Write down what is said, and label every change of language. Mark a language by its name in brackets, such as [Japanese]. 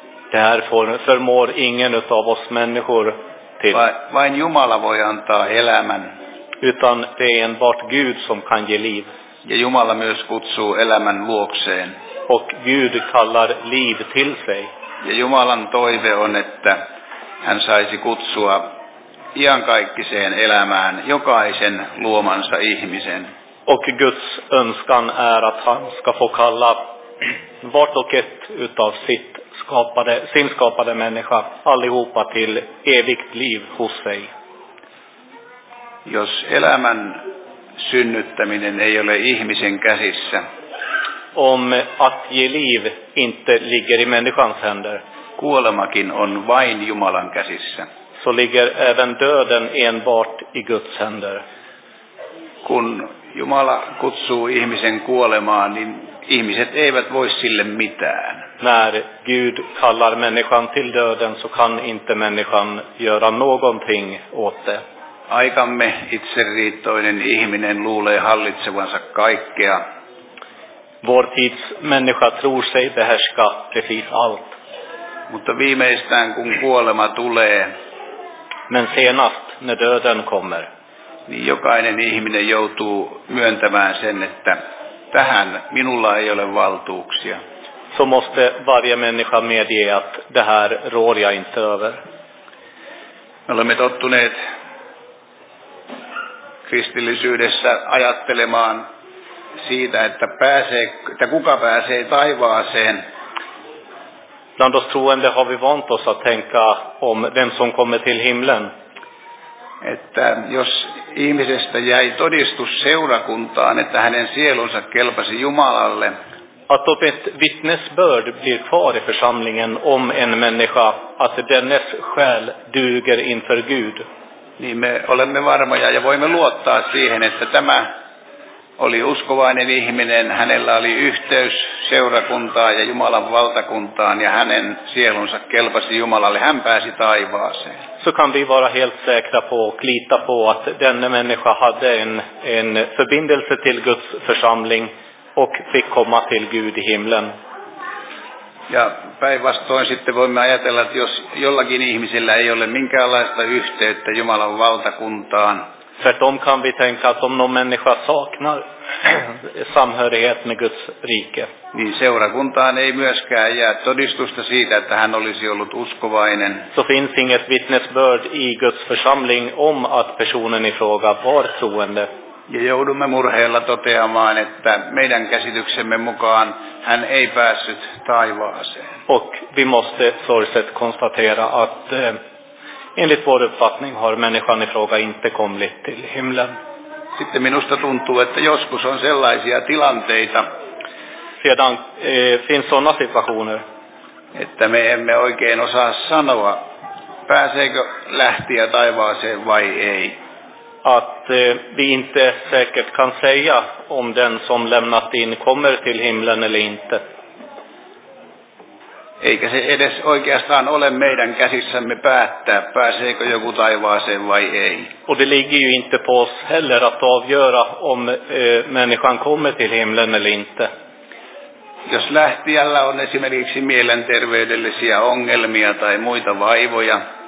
[Swedish] Där förmår ingen av oss människor till. [Finnish] Vain Jumala voi antaa elämän. [Swedish] Utan det är enbart Gud som kan ge liv. [Finnish] Ja Jumala myös kutsuu elämän luokseen. [Swedish] Och Gud kallar liv till sig. [Finnish] Ja Jumalan toive on, että hän saisi kutsua iankaikkiseen elämään jokaisen luomansa ihmisen. [Swedish] Och Guds önskan är att han ska få kalla vart och ett utav sin skapade människa allihopa till evigt liv hos sig. [Finnish] Jos elämän synnyttäminen ei ole ihmisen käsissä. [Swedish] Om att ge liv inte ligger i människans händer. [Finnish] Kuolemakin on vain Jumalan käsissä. [Swedish] Så ligger även döden enbart i Guds händer. [Finnish] Kun Jumala kutsuu ihmisen kuolemaan, niin ihmiset eivät voi sille mitään. [Swedish] När Gud kallar människan till döden så kan inte människan göra någonting åt det. [Finnish] Aikamme itseriittoinen ihminen luulee hallitsevansa kaikkea. [Swedish] Vår tids människa tror sig behärska precis allt. [Finnish] Mutta viimeistään kun kuolema tulee. [Swedish] Men senast när döden kommer. [Finnish] Niin jokainen ihminen joutuu myöntämään sen, että tähän minulla ei ole valtuuksia. [Swedish] Så måste varje människa medge att det här rår jag inte över. [Finnish] Me olemme tottuneet kristillisyydessä ajattelemaan siitä, että kuka pääsee taivaaseen. [Swedish] Bland oss troende har vi vant oss att tänka om vem som kommer till himlen. [Finnish] Että jos ihmisestä jäi todistus seurakuntaan, että hänen sielunsa kelpasi Jumalalle. [Swedish] Att om ett vittnesbörd blir kvar i församlingen om en människa, att dennes själ duger inför Gud. [Finnish] Niin me olemme varmoja ja voimme luottaa siihen, että tämä oli uskovainen ihminen, hänellä oli yhteys seurakuntaa ja Jumalan valtakuntaan ja hänen sielunsa kelpasi Jumalalle, hän pääsi taivaaseen. [Swedish] Så kan vi vara helt säkra på och lita på att denna människa hade en förbindelse till Guds församling och fick komma till Gud i himlen. [Finnish] Ja päinvastoin sitten voimme ajatella, että jos jollakin ihmisellä ei ole minkäänlaista yhteyttä Jumalan valtakuntaan. [Swedish] Tvärtom kan vi tänka att om någon människa saknar samhörighet med Guds rike. [Finnish] Niin seurakuntaan ei myöskään jää todistusta siitä, että hän olisi ollut uskovainen. [Swedish] Så finns inget vittnesbörd i Guds församling om att personen i fråga var troende. [Finnish] Ja joudumme murheella toteamaan, että meidän käsityksemme mukaan hän ei päässyt taivaaseen. [Swedish] Och vi måste sorgset konstatera att enligt vår uppfattning har människan i fråga inte kommit till himlen. [Finnish] Sitten minusta tuntuu, että joskus on sellaisia tilanteita. [Swedish] Sedan finns sådana situationer. [Finnish] Että me emme oikein osaa sanoa, pääseekö lähtiä taivaaseen vai ei. [Swedish] Att vi inte säkert kan säga om den som lämnat in kommer till himlen eller inte. [Finnish] Eikä se edes oikeastaan ole meidän käsissämme päättää, pääseekö joku taivaaseen vai ei. [Swedish] Och det ligger ju inte på oss heller att avgöra om människan kommer till himlen eller inte. [Finnish] Jos lähtijällä on esimerkiksi mielenterveydellisiä ongelmia tai muita vaivoja.